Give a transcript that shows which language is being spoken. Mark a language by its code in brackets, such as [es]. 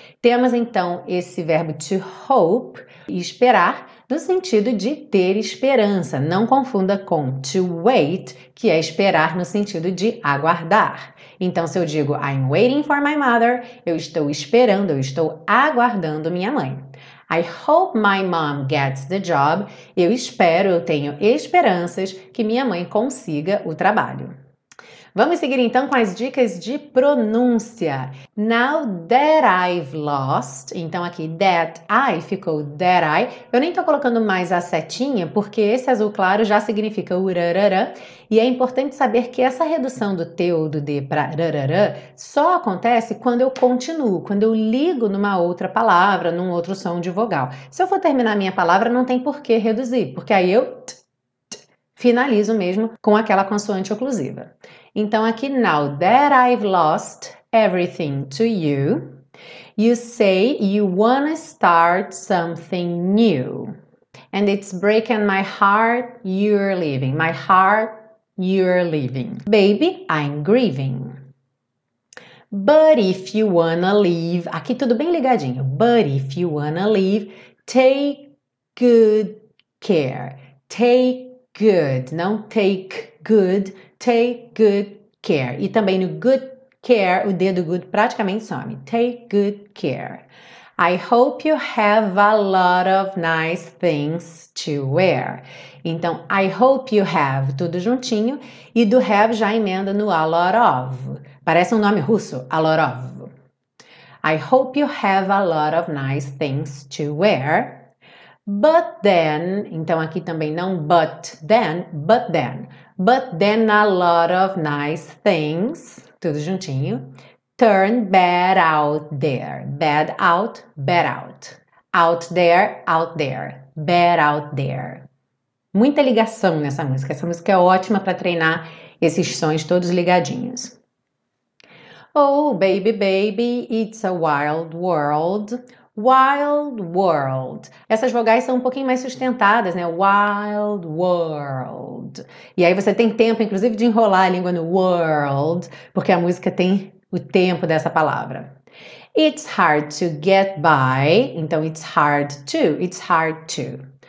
[pt] Temos então esse verbo to hope, esperar, no sentido de ter esperança. Não confunda com to wait, que é esperar no sentido de aguardar. Então, se eu digo [en] I'm waiting for my mother, [pt] eu estou esperando, eu estou aguardando minha mãe. [en] I hope my mom gets the job. [pt] Eu espero, eu tenho esperanças que minha mãe consiga o trabalho. Vamos seguir então com as dicas de pronúncia. [en] Now that I've lost, [pt] então aqui [en] that I [pt] ficou [en] that I. [pt] Eu nem estou colocando mais a setinha, porque esse azul claro já significa urarara. E é importante saber que essa redução do T ou do D para rarara só acontece quando eu continuo, quando eu ligo numa outra palavra, num outro som de vogal. Se eu for terminar minha palavra, não tem por que reduzir, porque aí eu finalizo mesmo com aquela consoante oclusiva. Então aqui, [en] now that I've lost everything to you, you say you wanna start something new. And it's breaking my heart, you're leaving. My heart, you're leaving. Baby, I'm grieving. But if you wanna leave, [pt] aqui tudo bem ligadinho. [en] But if you wanna leave, take good care. Take good, [pt] não [en] take good. Take good care. [pt] E também no good care, o dedo good praticamente some. [en] Take good care. I hope you have a lot of nice things to wear. Então, I hope you have, [pt] tudo juntinho. E do have já emenda no a lot of. Parece um nome russo, a lot of. [en] I hope you have a lot of nice things to wear. But then, [pt] então aqui também não [en] but then, but then. But then a lot of nice things, [pt] tudo juntinho, [en] turn bad out there. Bad out, bad out. Out there, bad out there. [pt] Muita ligação nessa música. Essa música é ótima para treinar esses sons todos ligadinhos. [en] Oh, baby, baby, it's a wild world. Wild world. [pt] Essas vogais são um pouquinho mais sustentadas, né? [en] Wild world. [pt] E aí você tem tempo, inclusive, de enrolar a língua no world, porque a música tem o tempo dessa palavra. [en] It's hard to get by. [pt] Então, [en] it's hard to. It's hard to.